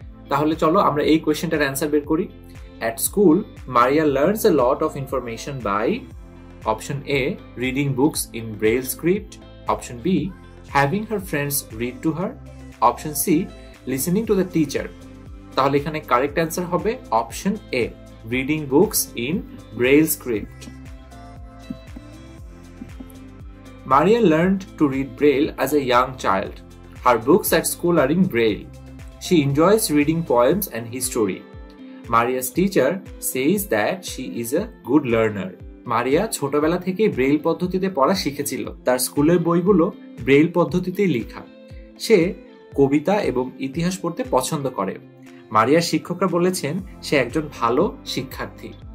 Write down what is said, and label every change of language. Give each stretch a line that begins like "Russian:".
Bangla: তাহলে চলো আমরা এই কোয়েশ্চনটার অ্যান্সার বের করি।
English: At school Maria learns a lot of information by option A, reading books in Braille script. Option B, having her friends read to her. Option C, listening to the teacher.
Bangla: তাহলে এখানে
English: correct answer
Bangla: হবে
English: Option A, reading books in Braille script. Maria learned to read Braille as a young child. Her books at school are in Braille. She enjoys reading poems and history. Maria's teacher says that she is a good learner.
Bangla: মারিয়া ছোটবেলা থেকেই Braille পদ্ধতিতে পড়া শিখেছিল, তার স্কুলের বইগুলো Braille পদ্ধতিতেই লেখা। সে কবিতা এবং ইতিহাস পড়তে পছন্দ করে। মারিয়ার শিক্ষকরা বলেছেন সে একজন ভালো শিক্ষার্থী।